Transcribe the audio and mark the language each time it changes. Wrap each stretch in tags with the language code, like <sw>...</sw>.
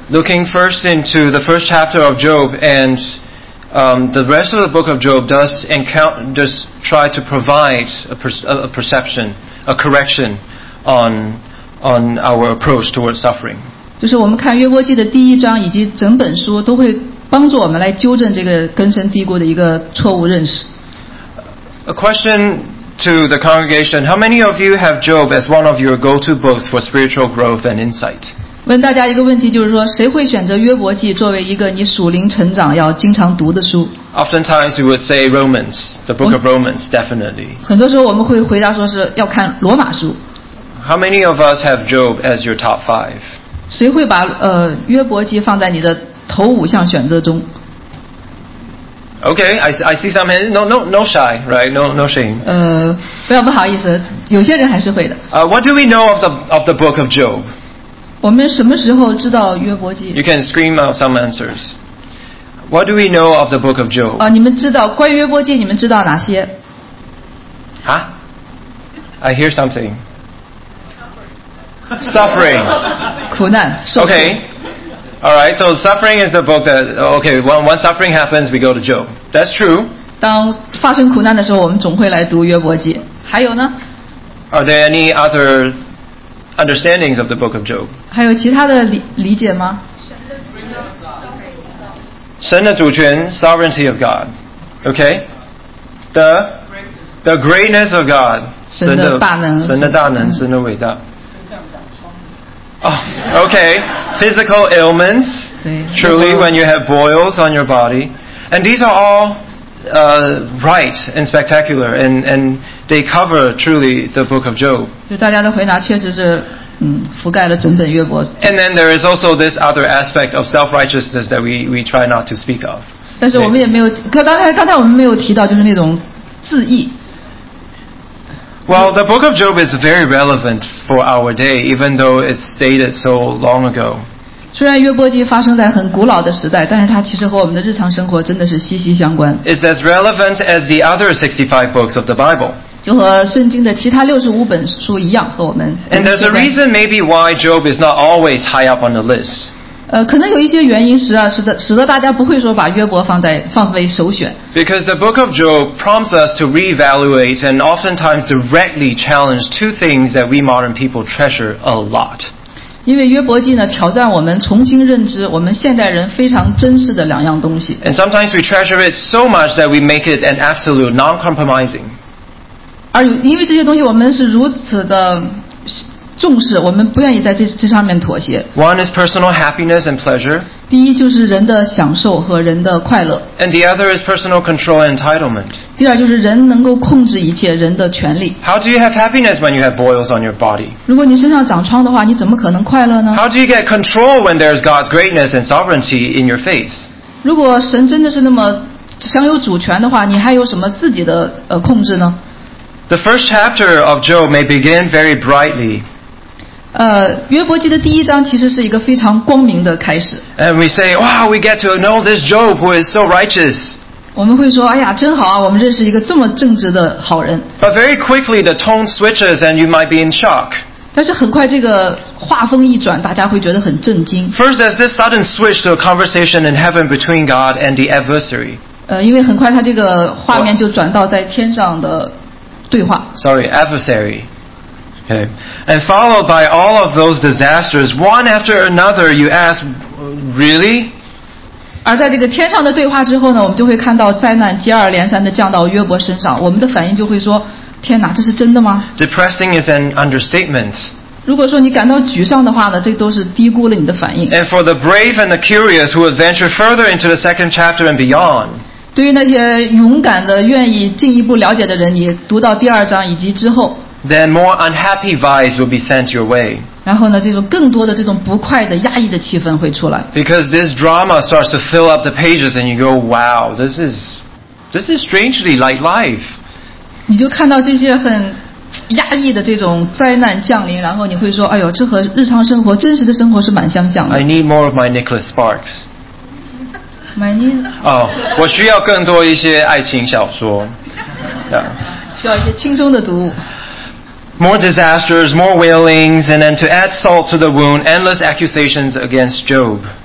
<en>Looking first into the first chapter of Job and the rest of the book of Job does try to provide a perception. A correction on our approach towards suffering.</en> <zh>就是我们看约伯记的第一章以及整本书都会帮助我们来纠正这个根深蒂固的一个错误认识。</zh> <en>A question to the congregation: How many of you have Job as one of your go-to books for spiritual growth and insight?</en> <zh>问大家一个问题，就是说谁会选择约伯记作为一个你属灵成长要经常读的书？</zh> <en>Oftentimes we would say Romans, the book of Romans, definitely.</en> <zh>很多时候我们会回答说是要看罗马书。</zh> <en>How many of us have Job as your top five?</en> <zh>谁会把约伯记放在你的头五项选择中？</zh> <en>Okay, I see some hands. No shy, right? No shame.</en> <zh>不要不好意思，有些人还是会的。</zh> <en>What do we know of the book of Job?</en> <zh>我们什么时候知道约伯记？</zh> <en>You can scream out some answers. What do we know of the book of Job?</en> <zh>你们知道关于约伯记，你们知道哪些？</zh> <en>Huh? I hear something. Suffering.</en> <zh>苦难，受苦。</zh> <en>Okay. All right. So suffering is the book that. Okay. When suffering happens, we go to Job. That's true.</en> <zh>当发生苦难的时候，我们总会来读约伯记。还有呢？</zh> <en>Are there any other understandings of the book of Job?</en> <zh>还有其他的理解吗？神的主权</zh> <en>sovereignty of God, okay, the greatness of God,</en> <zh>神的大能，神的伟大。</zh> <en>Oh, okay, physical ailments, truly when you have boils on your body, and these are all right and spectacular, and they cover truly the book of Job.</en> <zh>就大家的回答确实是覆盖了整本约伯。</zh> <en>And then there is also this other aspect of self-righteousness that we try not to speak of.</en> <zh>但是我们也没有，刚才我们没有提到，就是那种自义。</zh> <en>Well, the book of Job is very relevant for our day, even though it's stated so long ago.</en> <zh>虽然约伯记发生在很古老的时代，但是它其实和我们的日常生活真的是息息相关。</zh> <en>It's as relevant as the other 65 books of the Bible.</en> <zh>就和圣经的其他65本书一样，和我们。</zh> <en>And there's a reason maybe why Job is not always high up on the list.</en> <zh>可能有一些原因使得大家不会说把约伯放为首选。</zh> <en>Because the book of Job prompts us to reevaluate and oftentimes directly challenge two things that we modern people treasure a lot.</en> <zh>因为约伯记呢，挑战我们重新认知我们现代人非常珍视的两样东西。</zh> <en>And sometimes we treasure it so much that we make it an absolute non-compromising.</en> <zh>而因为这些东西我们是如此的重视，我们不愿意在这上面妥协。</zh> <en>One is personal happiness and pleasure.</en> <zh>第一就是人的享受和人的快乐。</zh> <en>And the other is personal control and entitlement.</en> <zh>第二就是人能够控制一切，人的权利。</zh> <en>How do you have happiness when you have boils on your body?</en> <zh>如果你身上长疮的话，你怎么可能快乐呢？</zh> <en>How do you get control when there's God's greatness and sovereignty in your face?</en> <zh>如果神真的是那么享有主权的话，你还有什么自己的控制呢？</zh> <en>The first chapter of Job may begin very brightly.</en> <zh>约伯记的第一章其实是一个非常光明的开始。</zh> <en>And we say, wow, we get to know this Job who is so righteous.</en> <zh>我们会说，哎呀，真好啊，我们认识一个这么正直的好人。</zh> <en>But very quickly the tone switches and you might be in shock.</en> <zh>但是很快这个话锋一转，大家会觉得很震惊。</zh> <en>First, there's this sudden switch to a conversation in heaven between God and the adversary.</en> <zh>因为很快他这个画面就转到在天上的对话。</zh> <en>Sorry, adversary. Okay. And followed by all of those disasters, one after another, you ask, really?</en> <zh>而在这个天上的对话之后呢，我们就会看到灾难接二连三的降到约伯身上。我们的反应就会说，天哪，这是真的吗？</zh> <en>Depressing is an understatement.</en> <zh>如果说你感到沮丧的话呢，这都是低估了你的反应。</zh> <en>And for the brave and the curious who would venture further into the second chapter and beyond.</en> <zh>对于那些勇敢的、愿意进一步了解的人，你读到第二章以及之后。</zh> <en>Then more unhappy vibes will be sent your way.</en> <zh>然后呢，这种更多的这种不快的、压抑的气氛会出来。</zh> <en>Because this drama starts to fill up the pages, and you go, "Wow, this is strangely like life."</en> <zh>你就看到这些很压抑的这种灾难降临，然后你会说，哎呦，这和日常生活、真实的生活是蛮相像的。</zh> <en>I need more of my Nicholas Sparks. My new.</en> <zh>哦，我需要更多一些爱情小说。 Yeah. 需要一些轻松的读物。</zh> <en>More disasters, more wailings, and then to add salt to the wound, endless accusations against Job.</en>